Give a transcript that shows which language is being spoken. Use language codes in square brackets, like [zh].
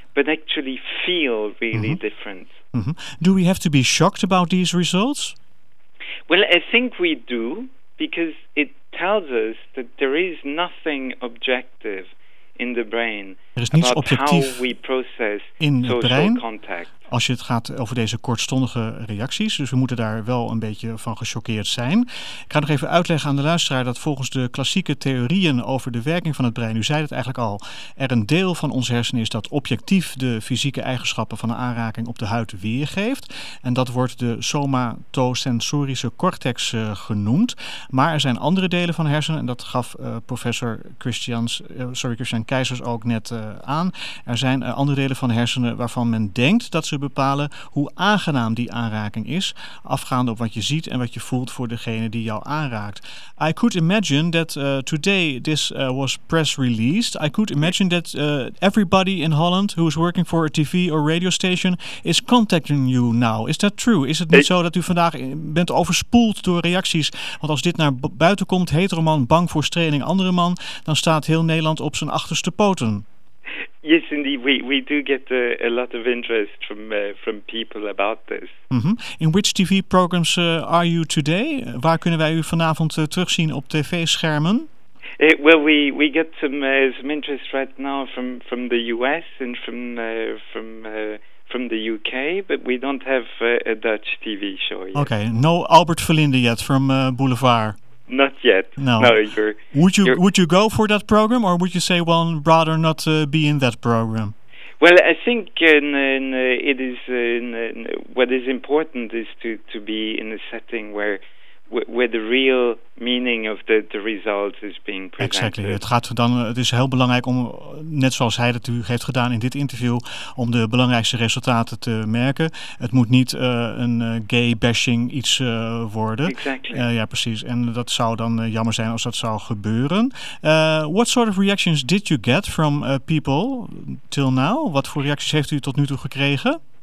[en] but actually feel really mm-hmm. different. Mm-hmm. Do we have to be shocked about these results? Well, I think we do, because it tells us that there is nothing objective in the brain. [nl] Er is niets objectief [en] about how we process [nl] in [en] social [nl] het brein, [en] contact. [nl] Als je het gaat over deze kortstondige reacties. Dus we moeten daar wel een beetje van gechoqueerd zijn. Ik ga nog even uitleggen aan de luisteraar dat volgens de klassieke theorieën over de werking van het brein, u zei het eigenlijk al, er een deel van ons hersenen is dat objectief de fysieke eigenschappen van de aanraking op de huid weergeeft. En dat wordt de somatosensorische cortex genoemd. Maar er zijn andere delen van hersenen, en dat gaf professor Christian Keizers ook net aan. Er zijn andere delen van hersenen waarvan men denkt dat ze bepalen hoe aangenaam die aanraking is, afgaande op wat je ziet en wat je voelt voor degene die jou aanraakt. [en] I could imagine that today this was press released. I could imagine that everybody in Holland who is working for a TV or radio station is contacting you now. Is that true? [nl] Is het niet zo dat u vandaag bent overspoeld door reacties? Want als dit naar buiten komt, hetero man, bang voor straling, andere man, dan staat heel Nederland op zijn achterste poten. [en] Yes, indeed, we do get a lot of interest from people about this. Mm-hmm. In which TV programs are you today? [nl] Waar kunnen wij u vanavond terugzien op tv-schermen? [en] Well, we get some interest right now from the US and from the UK, but we don't have a Dutch TV show yet. Okay, no Albert Verlinde yet from Boulevard. Not yet. No. Would you go for that program, or would you say, well, rather not be in that program? Well, I think it is what is important is to be in a setting where the real meaning of the result is being presented. Exactly. [nl] Het is heel belangrijk om, net zoals hij dat u heeft gedaan in dit interview, om de belangrijkste resultaten te merken. Het moet niet een gay bashing iets worden. [en] Exactly. [nl] Ja, precies. En dat zou dan jammer zijn als dat zou gebeuren. [en] What sort of reactions did you get from people till now? [nl] Wat voor reacties heeft u tot nu toe gekregen?